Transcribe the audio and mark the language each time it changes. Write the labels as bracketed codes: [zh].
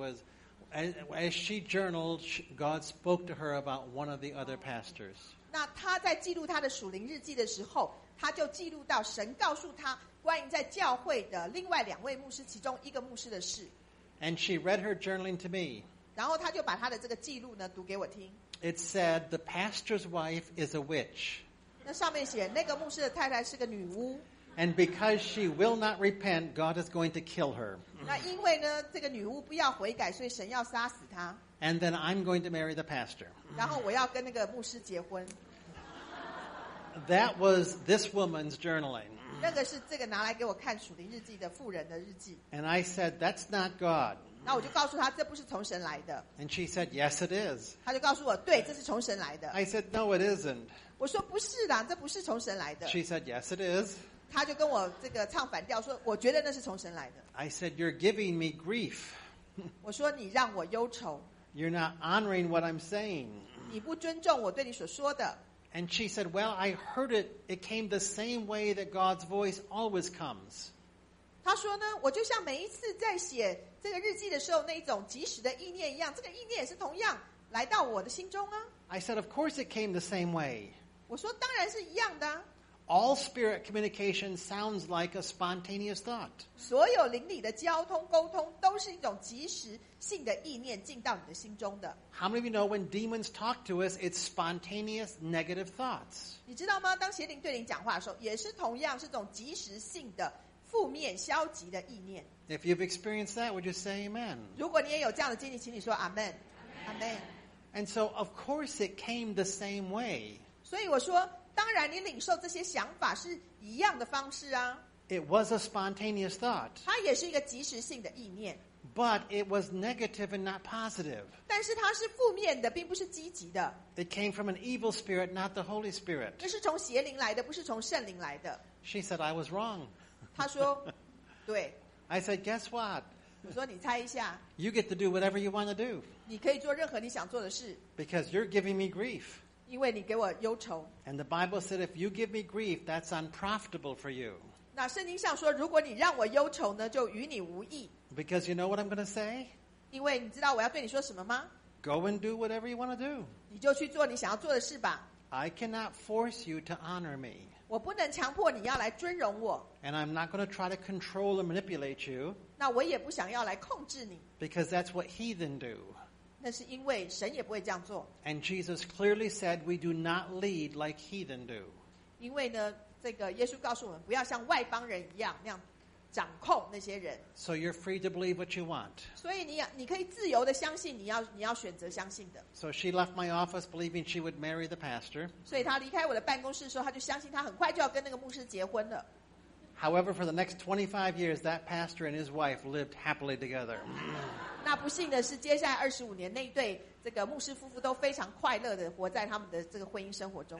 [en] No, she was as she journaled, God spoke to her about one of the other pastors. [zh] 那她在记录她的属灵日记的时候，她就记录到神告诉她关于在教会的另外两位牧师其中一个牧师的事。 [en] And she read her journaling to me. [zh] 然后她就把她的这个记录呢读给我听。 [en] It said the pastor's wife is a witch. [zh] 那上面写那个牧师的太太是个女巫。 [en] And because she will not repent, God is going to kill her. [zh] 那因为呢这个女巫不要悔改，所以神要杀死她。 [en] And then I'm going to marry the pastor. [zh] 然后我要跟那个牧师结婚。 [en] That was this woman's journaling. [zh] 那个是这个拿来给我看属灵日记的妇人的日记。 [en] And I said, that's not God. [zh] 那我就告诉她这不是从神来的。 [en] And she said, yes it is. [zh] 她就告诉我对这是从神来的。 [en] I said, no it isn't. [zh] 我说不是啦，这不是从神来的。 [en] She said, yes it is. [zh] 她就跟我这个唱反调说我觉得那是从神来的。 [en] I said, you're giving me grief. [zh] 我说你让我忧愁。 [en] You're not honoring what I'm saying. [zh] 你不尊重我对你所说的。 [en] And she said, well, I heard it. It came the same way that God's voice always comes. [zh] 他说呢，我就像每一次在写这个日记的时候那一种及时的意念一样，这个意念也是同样来到我的心中啊。 [en] I said, of course it came the same way. [zh] 我说当然是一样的啊。 [en] All spirit communication sounds like a spontaneous thought. [zh] 所有灵里的交通沟通都是一种及时性的意念进到你的心中的。 [en] How many of you know when demons talk to us, it's spontaneous negative thoughts? [zh] 你知道吗？当邪灵对你讲话的时候，也是同样是种及时性的负面消极的意念。 [en] If you've experienced that, would you say amen? [zh] 如果你也有这样的经历，请你说 amen. Amen. [en] And so, of course, it came the same way. [zh] 所以我说。当然你领受这些想法是一样的方式啊。 [en] It was a spontaneous thought. [zh] 它也是一个及时性的意念。 [en] But it was negative and not positive. [zh] 但是它是负面的，并不是积极的。 [en] It came from an evil spirit, not the Holy Spirit. [zh] 这是从邪灵来的，不是从圣灵来的。 [en] She said, I was wrong. [zh] 她说，对。 [en] I said, guess what? [zh] 我说你猜一下。 [en] You get to do whatever you want to do. [zh] 你可以做任何你想做的事。 [en] Because you're giving me grief. [zh] 因为你给我忧愁。 [en] And the Bible said, if you give me grief, that's unprofitable for you. [zh] 那圣经上说，如果你让我忧愁呢，就与你无益。 [en] Because you know what I'm going to say? [zh] 因为你知道我要对你说什么吗？ [en] Go and do whatever you want to do. [zh] 你就去做你想要做的事吧。 [en] I cannot force you to honor me. [zh] 我不能强迫你要来尊荣我。 [en] And I'm not going to try to control or manipulate you. [zh] 那我也不想要来控制你。 [en] Because that's what heathen do. [zh] 那是因为神也不会这样做。 [en] And Jesus clearly said, "We do not lead like heathen do." [zh] 因为呢，这个耶稣告诉我们，不要像外邦人一样那样掌控那些人。 [en] So you're free to believe what you want. [zh] 所以你可以自由的相信你要选择相信的。 [en] So she left my office believing she would marry the pastor. [zh] 所以她离开我的办公室的时候，她就相信她很快就要跟那个牧师结婚了。 [en] However, for the next 25 years, that pastor and his wife lived happily together. [zh] 那不幸的是，接下来25年，那一对这个牧师夫妇都非常快乐的活在他们的这个婚姻生活中。